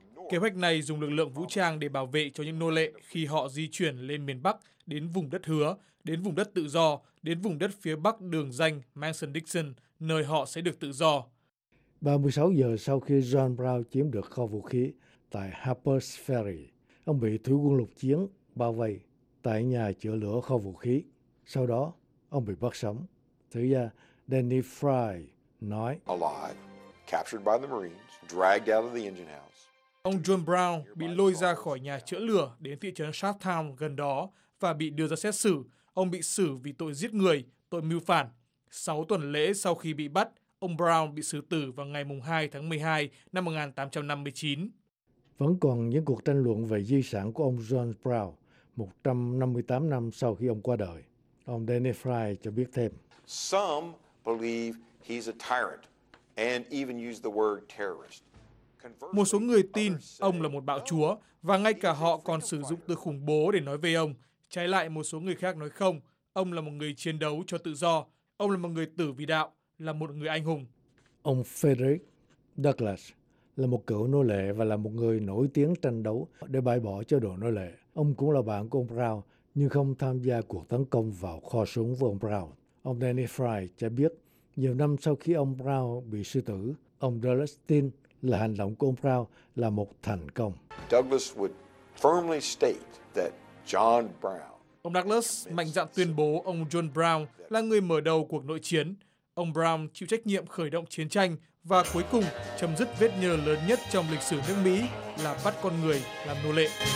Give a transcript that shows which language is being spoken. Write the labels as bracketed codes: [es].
[vi] Kế hoạch này dùng lực lượng vũ trang để bảo vệ cho những nô lệ khi họ di chuyển lên miền Bắc, đến vùng đất hứa, đến vùng đất tự do, đến vùng đất phía Bắc đường danh Mason-Dixon, nơi họ sẽ được tự do. 36 giờ sau khi John Brown chiếm được kho vũ khí tại Harper's Ferry, ông bị thủy quân lục chiến bao vây tại nhà chữa lửa kho vũ khí. Sau đó, ông bị bắt sống. Thứ gia Danny Fry nói: [en] "Alive, captured by the Marines, dragged out of the engine house." [vi] Ông John Brown bị lôi ra khỏi nhà chữa lửa đến thị trấn Sharptown gần đó và bị đưa ra xét xử. Ông bị xử vì tội giết người, tội mưu phản. 6 tuần lễ sau khi bị bắt, ông Brown bị xử tử vào ngày 2 tháng 12 năm 1859. Vẫn còn những cuộc tranh luận về di sản của ông John Brown 158 năm sau khi ông qua đời. Ông Danny Fry cho biết thêm: [en] "Some believe he's a tyrant and even use the word terrorist." [vi] Một số người tin ông là một bạo chúa và ngay cả họ còn sử dụng từ khủng bố để nói về ông. Trái lại, một số người khác nói không, ông là một người chiến đấu cho tự do, ông là một người tử vì đạo, là một người anh hùng. Ông Frederick Douglass là một cựu nô lệ và là một người nổi tiếng tranh đấu để bãi bỏ chế độ nô lệ. Ông cũng là bạn của ông Brown nhưng không tham gia cuộc tấn công vào kho súng với ông Brown. Ông Danny Fry cho biết, nhiều năm sau khi ông Brown bị sư tử, ông Douglass tin là hành động của ông Brown là một thành công. [en] Douglass would firmly state that John Brown. [vi] Ông Douglass mạnh dạn tuyên bố ông John Brown là người mở đầu cuộc nội chiến. Ông Brown chịu trách nhiệm khởi động chiến tranh và cuối cùng chấm dứt vết nhơ lớn nhất trong lịch sử nước Mỹ là bắt con người làm nô lệ.